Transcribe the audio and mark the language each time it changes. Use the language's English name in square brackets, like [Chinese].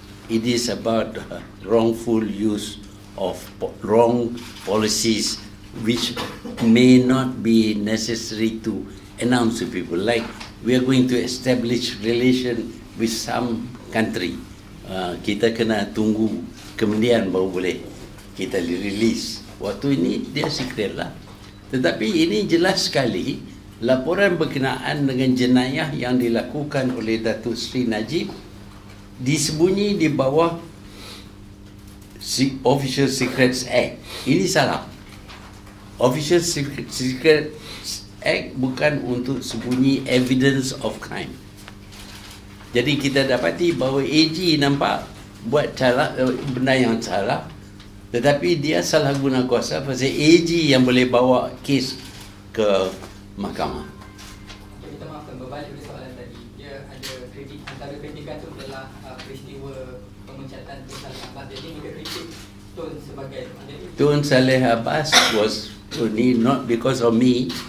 [English] It is about wrongful use of wrong policies which may not be necessary to announce to people. Like, we are going to establish relation with some country. [Malay] Kita kena tunggu kemudian baru boleh kita release. Waktu ini dia secret lah. Tetapi ini jelas sekali laporan berkenaan dengan jenayah yang dilakukan oleh Datuk Sri Najib disembunyi di bawah Official Secrets Act. Ini salah. Official Secrets Act bukan untuk sembunyi [English] evidence of crime. [Malay] Jadi kita dapati bahawa AG nampak buat salah, benda yang salah, tetapi dia salah guna kuasa pasal AG yang boleh bawa kes ke mahkamah. Kita maafkan, berbalik pada soalan tadi. Dia ada kritik, antara kritikan itu adalah peristiwa pemecatan Tun Saleh Abbas. Jadi dia kritik Tun sebagai... [English] Tun Saleh Abbas was only not because of me.